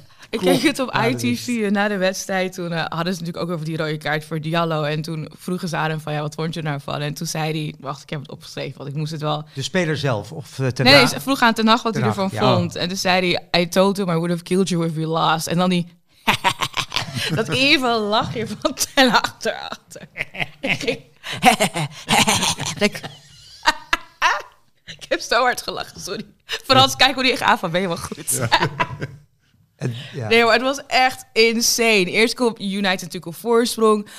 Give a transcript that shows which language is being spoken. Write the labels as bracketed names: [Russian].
[Dutch] Ik kijk het op ITV na de wedstrijd. Toen hadden ze natuurlijk ook over die rode kaart voor Diallo. En toen vroegen ze aan hem van, ja, wat vond je nou van? En toen zei hij, wacht, ik heb het opgeschreven, want ik moest het wel... De speler zelf? Of Ten Nee, ze vroeg aan Ten Hag wat hij ervan vond. En toen zei hij, [English] I told him I would have killed you if we lost. [Dutch] En dan die... Dat even lachje van Ten Hag erachter. Ik heb zo hard gelachen, sorry. Vooral als kijk hoe die echt aan van, ben je wel goed? Nee, maar het was echt insane. Eerst komt United natuurlijk op voorsprong.